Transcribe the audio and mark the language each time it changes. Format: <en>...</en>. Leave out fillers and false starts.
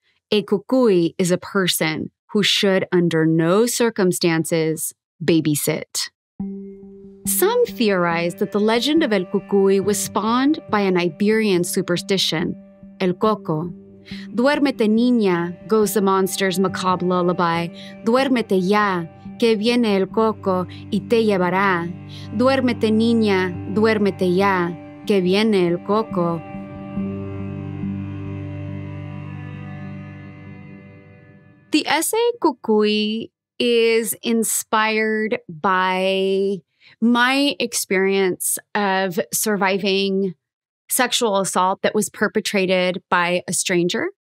<en>A cucuy is a person who should, under no circumstances, babysit. Some theorize that the legend of El Cucuy was spawned by an Iberian superstition, El Coco.</en> <es>Duérmete, niña,</es> <en>goes the monster's macabre lullaby.</en> <es>Duérmete ya, que viene el coco y te llevará. Duérmete, niña, duérmete ya, que viene el coco.</es> <en>The essay Cucuy is inspired by my experience of surviving sexual assault that was perpetrated by a stranger.</en>